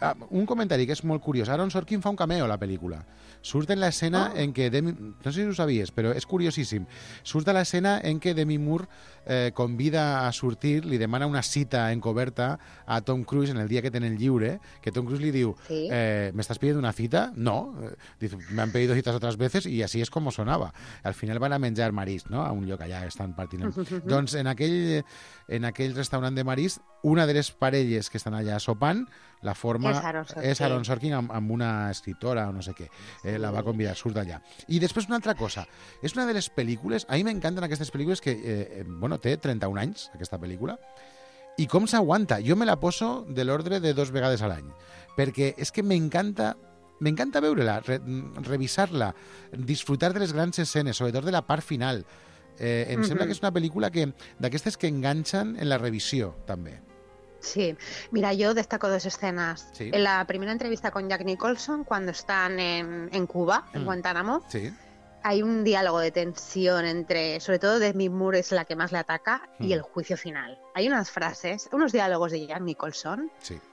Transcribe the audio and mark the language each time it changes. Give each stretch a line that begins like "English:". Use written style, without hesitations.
Catalan: un comentari que és molt curiós. Aaron Sorkin fa un cameo a la pel·lícula. Surt en l'escena en què Demi... No sé si ho sabies, però és curiosíssim. Surt a l'escena en què Demi Moore convida a sortir, li demana una cita encoberta a Tom Cruise en el dia que tenen lliure, que Tom Cruise li diu, m'estàs
Spanish: pidiendo una cita?
Catalan: No.
Spanish: Dice, me han pedido citas otras veces y así es como sonaba.
Catalan: Al final van a menjar marisc, no? A un lloc allà estan partint. Doncs en aquell restaurant de marisc, una de les parelles que estan allà sopant, la forma és Aaron Sorkin amb una escriptora o no sé què. La va convidar, surt d'allà. I després una altra cosa. És una de les pel·lícules, a mi m'encanten aquestes pel·lícules que, té 31 anys, aquesta pel·lícula, i com s'aguanta? Jo me la poso de l'ordre de dos vegades a l'any. Perquè és que m'encanta veure-la, revisar-la, disfrutar de les grans escenes, sobretot de la part final. Em sembla que és una pel·lícula d'aquestes que enganxen en la revisió, també.
Spanish: Sí, mira, yo destaco dos escenas. Sí. En la primera entrevista con Jack Nicholson, cuando están en Cuba, en Guantánamo, sí. Hay un diálogo de tensión entre, sobre todo Demi Moore es la que más le ataca, y el juicio final. Hay unas frases, unos diálogos de Jack Nicholson, sí.